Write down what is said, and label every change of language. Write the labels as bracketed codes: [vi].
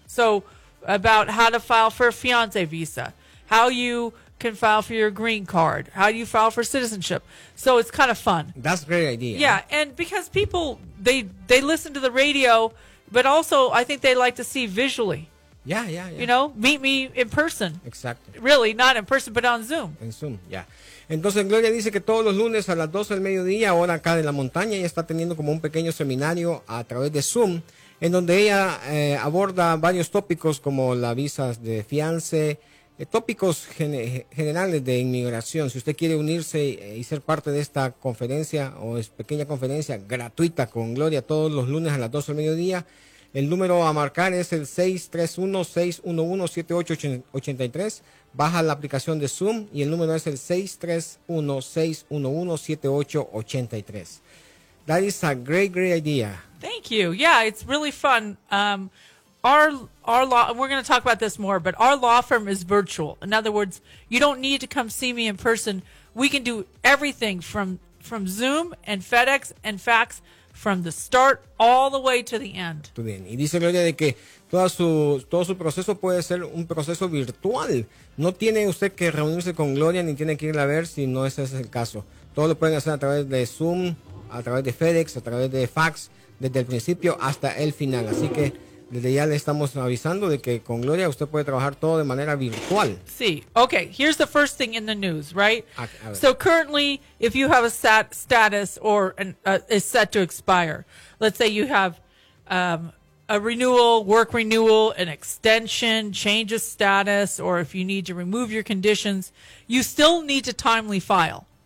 [en] So about how to file for a fiancé visa, how you can file for your green card, how you file for citizenship. So it's kind of fun. That's a great idea. Yeah, and because people, they listen to the radio, but also I think they like to see visually. Yeah, yeah, yeah. You know, meet me in person. Exactly. Really, not in person, but on Zoom. [es] En Zoom, yeah. Entonces Gloria dice que todos los lunes a las 12 del mediodía, ahora acá en la montaña, ella está teniendo como un pequeño seminario a través de Zoom, en donde ella aborda varios tópicos como la visa de fiancé, tópicos generales de inmigración. Si usted quiere unirse y ser parte de esta conferencia o es pequeña conferencia gratuita con Gloria todos los lunes a las 12 del mediodía, El número a marcar es el 631-611-7883. Baja la aplicación de Zoom y el número es el 631-611-7883. [en] That is a great, great idea. Thank you. Yeah, it's really fun. Our law, we're going to talk about this more, but our law firm is virtual. In other words, you don't need to come see me in person. We can do everything from Zoom and FedEx and fax from the start all the way to the end. [es] Y dice Gloria de que todo su proceso puede ser un proceso virtual. No tiene usted que reunirse con Gloria ni tiene que irla a ver si no ese es el caso. Todo lo pueden hacer a través de Zoom, a través de FedEx, a través de fax, desde el principio hasta el final. Así que desde ya le estamos avisando de que con Gloria usted puede trabajar todo de manera virtual. Sí. [en] Okay, here's the first thing in the news, right? So currently, if you have a SAT status or is set to expire, let's say you have a renewal, work renewal, an extension, change of status, or if you need to remove your conditions, you still need to timely file.